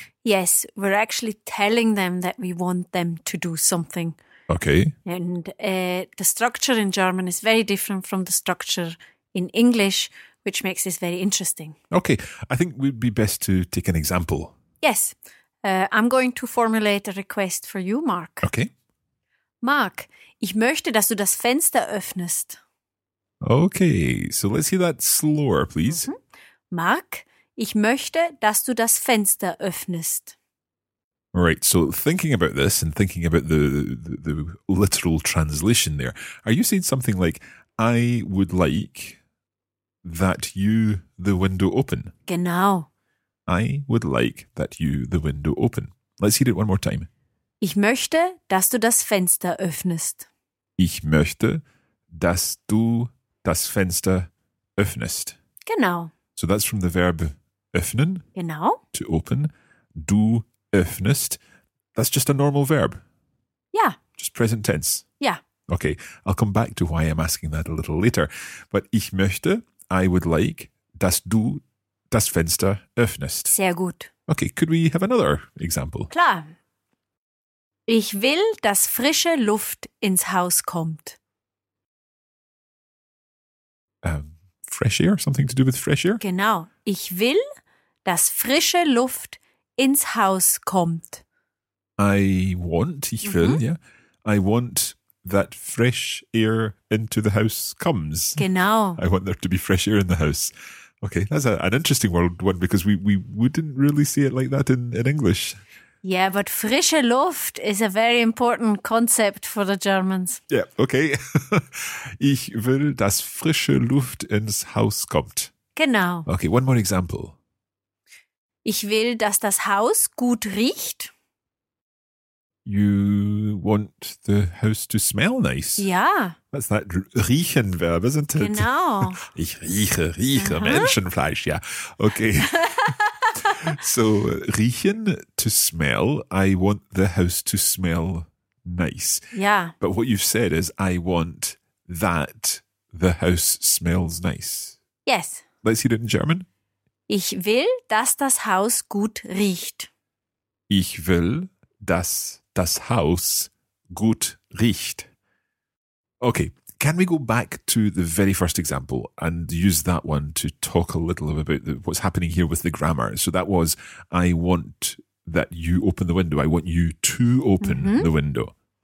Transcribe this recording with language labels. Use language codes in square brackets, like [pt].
[en] Yes, we're actually telling them that we want them to do something. Okay. And the structure in German is very different from the structure in English, which makes this very interesting. Okay, I think we'd be best to take an example. Yes, I'm going to formulate a request for you, Mark. Okay. [de] Mark, ich möchte, dass du das Fenster öffnest. [en] Okay, so let's hear that slower, please. Mm-hmm. [de] Mark, ich möchte, dass du das Fenster öffnest. [en] Right, so thinking about this and thinking about the literal translation there, are you saying something like, I would like that you the window open? [de] Genau. [en] I would like that you the window open. Let's hear it one more time. [de] Ich möchte, dass du das Fenster öffnest. Ich möchte, dass du das Fenster öffnest. Genau. [en] So that's from the verb öffnen. [de] Genau. [en] To open. [de] Du öffnest. [en] That's just a normal verb. Yeah. Just present tense. Yeah. Okay, I'll come back to why I'm asking that a little later. But [de] ich möchte, [en] I would like, [de] dass du das Fenster öffnest. Sehr gut. [en] Okay, could we have another example? [de] Klar. Ich will, dass frische Luft ins Haus kommt. [en] Fresh air? Something to do with fresh air? [de] Genau. Ich will, dass frische Luft ins Haus kommt. [en] I want, [de] ich will, ja. [en] I want that fresh air into the house comes. [de] Genau. [en] I want there to be fresh air in the house. Okay, that's an interesting one because we wouldn't really say it like that in English. Yeah, but [de] frische Luft [en] is a very important concept for the Germans. Yeah, okay. [de] Ich will, dass frische Luft ins Haus kommt. Genau. [en] Okay, one more example. [de] Ich will, dass das Haus gut riecht. [en] You want the house to smell nice. Yeah. That's that riechen verb, isn't it? [de] Genau. Ich rieche Menschenfleisch, yeah. [en] Okay. So, riechen, to smell. I want the house to smell nice. Yeah. But what you've said is, I want that the house smells nice. Yes. Let's hear it in German. [de] Ich will, dass das Haus gut riecht. Ich will, dass das Haus gut riecht. [en] Okay, can we go back to the very first example and use that one to talk a little about what's happening here with the grammar? So that was, I want that you open the window. I want you to open the window.